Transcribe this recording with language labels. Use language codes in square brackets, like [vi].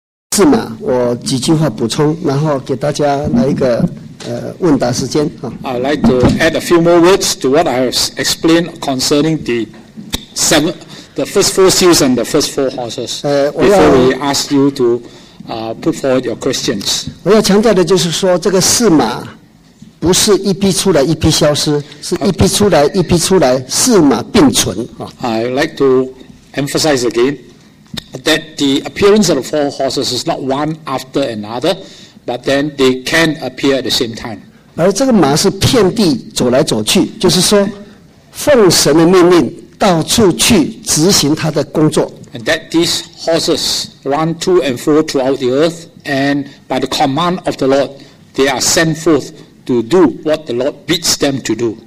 [zh] 事嘛，我几句话补充，然后给大家来一个问答时间啊。 [en] I'd like to add a few more words to what I explained concerning the seven, the first four seals and the first four horses. Before we ask you to put forward your questions. [zh] 我要强调的就是说，这个四马不是一批出来一批消失，是一批出来一批出来，四马并存啊。 [en] I'd like to emphasize again that the appearance of the four horses is not one after another. But then they can appear at the same time. [zh] 而这个马是遍地走来走去，就是说，奉神的命令到处去执行他的工作。 [en] And that these horses run to and fro throughout the earth, and by the command of the Lord, they are sent forth to do what the Lord bids them to do.